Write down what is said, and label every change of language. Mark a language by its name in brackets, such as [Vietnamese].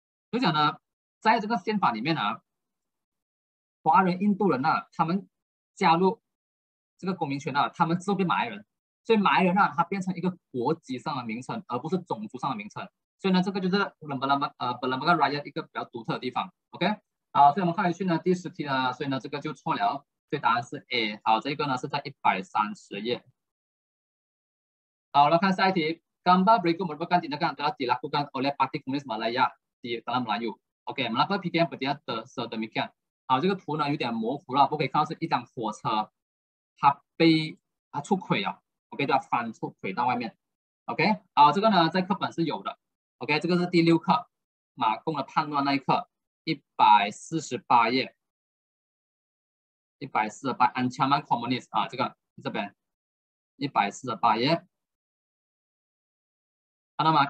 [Chinese] 就讲呢，在这个宪法里面呢，华人、印度人呢，他们加入这个公民权呢，他们之后变马来人，所以马来人呢，它变成一个国籍上的名称，而不是种族上的名称。所以呢，这个就是Belambangan Raya 一个比较独特的地方。 OK。好，所以我们看回去呢，第十题呢，所以呢这个就错了，所以答案是 A。好，这个呢是在130页。 [Malay] 好，我们看下一题，Gambar berikut merupakan tindakan telah dilakukan oleh Parti Komunis Malaya di dalam Melayu。 OK，mengapa PKM berdiri sedemikian？ [Chinese] 好，这个图呢有点模糊了，不可以看到是一辆火车，它出轨了，OK，它翻出轨道外面，OK。好，这个呢在课本是有的，OK，这个是第六课，马共的叛乱那一课。 148页，148 Ancaman Komunis 啊，这边148页，看到吗？